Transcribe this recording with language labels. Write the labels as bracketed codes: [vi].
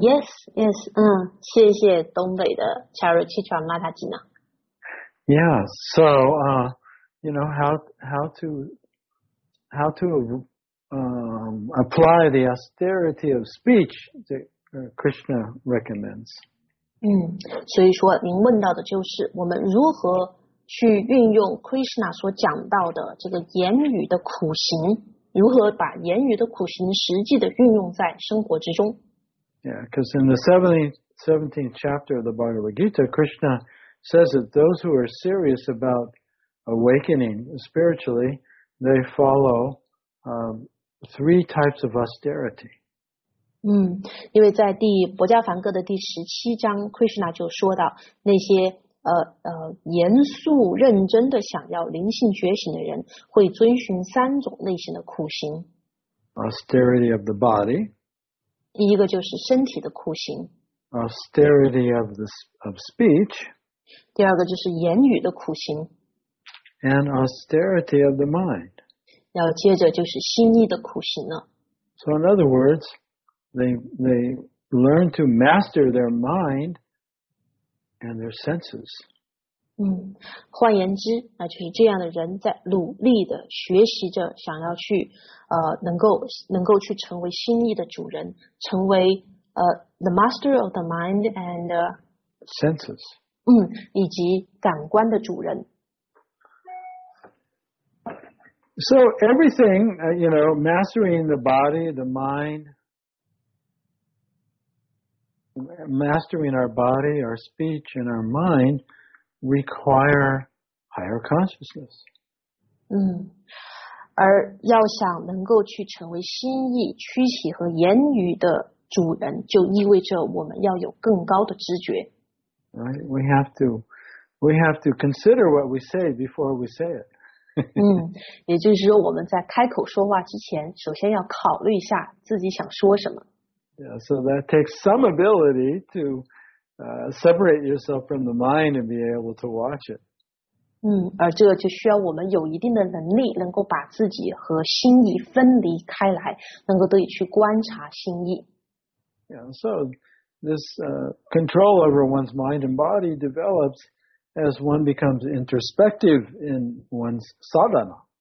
[zh] Yes, 谢谢东北的 Charuchitra Mataji. [en] Yeah, so, you know, how to apply the austerity of speech that Krishna recommends. [zh] 所以说您问到的就是我们如何去运用 Krishna 所讲到的这个言语的苦行，如何把言语的苦行实际的运用在生活之中。 [en] Yeah, because in the 17th chapter of the Bhagavad Gita, Krishna says that those who are serious about awakening spiritually, they follow three types of austerity. [zh] 因为在第薄伽梵歌的第十七章 ，Krishna 就说到那些严肃认真的想要灵性觉醒的人，会遵循三种类型的苦行。 [en] Austerity of the body. [zh] 一个就是身体的苦行 [en] ，austerity of the of speech。 [zh] 第二个就是言语的苦行 [en] ，and austerity of the mind。 [zh] 要接着就是心意的苦行了。 [en] So in other words, they learn to master their mind and their senses。 [zh] 换言之，那就是这样的人在努力的学习着，想要去能够去成为心意的主人，成为 [en] the master of the mind and senses， [zh] 以及感官的主人。 [en] So everything, you know, mastering the body, the mind, mastering our body, our speech, and our mind. require higher consciousness. [zh] 而要想能够去成为心意、躯体和言语的主人，就意味着我们要有更高的知觉。 [en] Right, we have to consider what we say before we say it. [zh] 也就是说我们在开口说话之前，首先要考虑一下自己想说什么。 [en] Yeah, so that takes some ability to. Separate yourself from the mind and be able to watch it. [zh] 而这就需要我们有一定的能力，能够把自己和心意分离开来，能够得以去观察心意。 [en] Yeah, so this control over one's mind and body develops as one becomes introspective in one's sadhana.